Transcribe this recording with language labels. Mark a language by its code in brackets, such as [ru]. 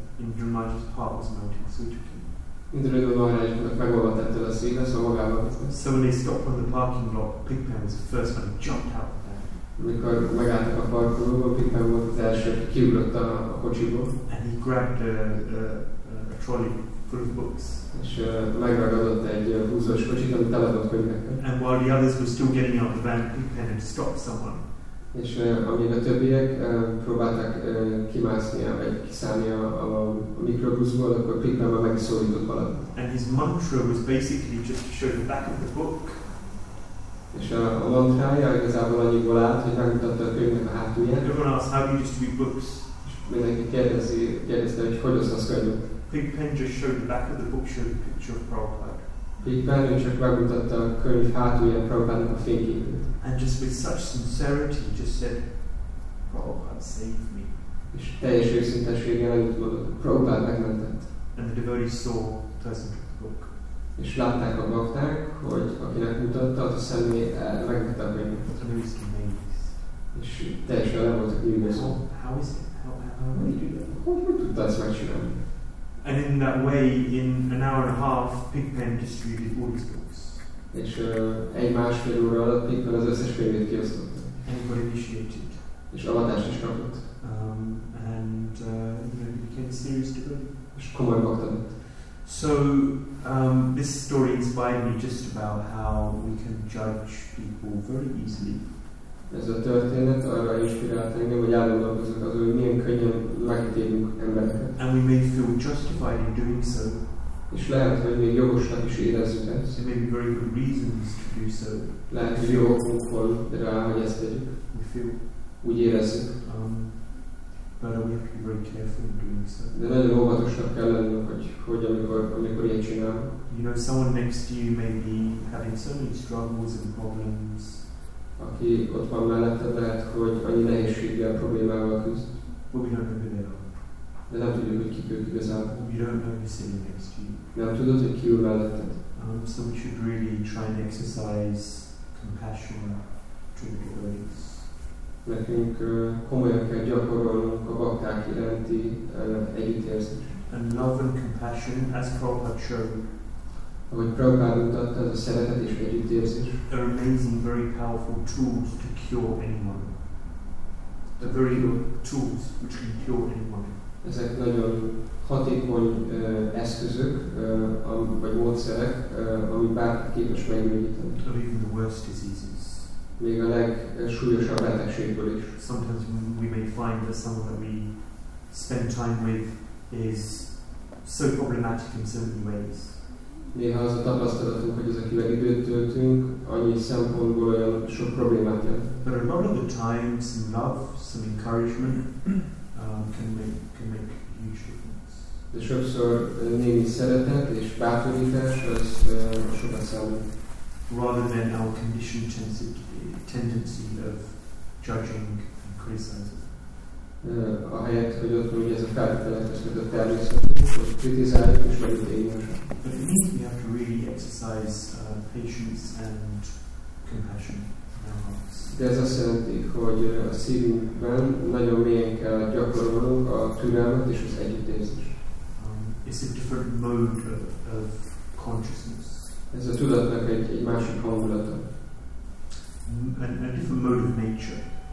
[en] And Yamaraj's heart was melting, so he took him. In the middle of the so when they stopped on the parking lot, Pigpen was the first one who jumped out there. [hu] Mikor megálltak a parkolóban, Pigpen volt az első, aki kiugrott a kocsiból. [en] And he grabbed a trolley full of books. [hu] És megragadott egy húzós kocsit, ami tele volt könyvekkel. [en] And while the others were still getting out the van, Pigpen had stopped someone. [hu] És amíg a többiek próbálták kimászni, vagy kiszállni a mikrobuszból, akkor Pigpen már megszólított valamit. [en] And his mantra was basically just to show the back of the book. [hu] És a mantrája igazából annyiból állt, hogy megmutatta a könyvnek a hátulját. [en] Everyone asked, how do you distribute books? [hu] És mindenki kérdezte, hogy hogy osztasz könyvet. [en] Pigpen just showed the back of the book, showed a picture of Prabhupada. [hu] Pigpen csak megmutatta a könyv hátulját, Prabhupádnak a fényképét. [en] And just with such sincerity, just said, Prabhupada saved me. [hu] És teljes őszinteséggel annyit mondott, Prabhupada megmentett. [en] And the devotees saw the person took the book. [hu] És látták a bakták, hogy akinek mutatta, az a személy megvette a könyvet. [en] The devotees came amazed. [hu] És teljesen le voltak nyűgözve. [en] How is it? How do you do that? [hu] Hogy tudta ezt megcsinálni? [en] And in that way, in an hour and a half, Pigpen distributed all his books. [hu] És egy másfél óra alatt Pigpen az összes könyvét kiosztotta. [en] And got initiated. [hu] És avatást is kapott. [en] And he became a serious devotee. [hu] És komoly bhakta lett. [en] So, this story inspired me just about how we can judge people very easily. [hu] Ez a történet arra inspirált engem, hogy elgondolkozok azon, hogy milyen könnyen megítélünk embereket. [en] And we may feel justified in doing so. [hu] És lehet, hogy még jogosnak is érezzük ezt. [en] There may be very good reasons to do so. [hu] Lehet, hogy jó okunk van rá, hogy ezt tegyük. [en] We feel. [hu] Úgy érezzük. [en] But we have to be very careful in doing so. [hu] De nagyon óvatosnak kell lennünk, hogy amikor ilyet csinálunk. [en] You know, someone next to you may be having so many struggles and problems. [hu] Aki ott van melletted, lehet, hogy annyi nehézséggel, problémával küzd. [en] But we don't know who they are. [hu] De nem tudjuk, hogy kik ők igazából. [en] We don't know who's sitting next to you. [hu] Nem tudod, hogy ki ül melletted. [en] So we should really try and exercise compassion to the devotees. [hu] Nekünk komolyan kell gyakorolnunk a bakták iránti együttérzést. [en] And love and compassion, as Prabhupada showed. [hu] Ahogy Prabhupád mutatta, az a szeretet és együttérzés. [en] They're amazing, very powerful tools to cure anyone. They're very good tools which can cure anyone. [hu] Ezek nagyon hatékony eszközök, vagy módszerek, ami bárki képes megmérjíteni. [en] Or even the worst diseases. [hu] Még a legsúlyosabb betegségből is. [en] Sometimes we may find that someone that we spend time with is so problematic in so many ways. [hu] Néha az a tapasztalatunk, hogy az, akivel időt töltünk, annyi szempontból olyan sok problémát jelent. [en] But a lot of the time, some love, some encouragement can make huge difference. [hu] De sokszor némi szeretet és bátorítás az sokat számít. [en] Rather than our conditioned tendency of judging and criticizing. [hu] Ahelyett, hogy ott mondja ez a feltételekhez között természetes, hogy kritizáljuk és vagyunk egymásra. [en] But it means we have to really exercise patience and compassion in our hearts. [hu] De ez azt jelenti, hogy a szívünkben nagyon mélyen kell gyakorolnunk a türelmet és az együttérzést. [en] It's a different mode of consciousness. [hu] Ez a tudatnak egy másik hangulata. [en] A different mode of nature.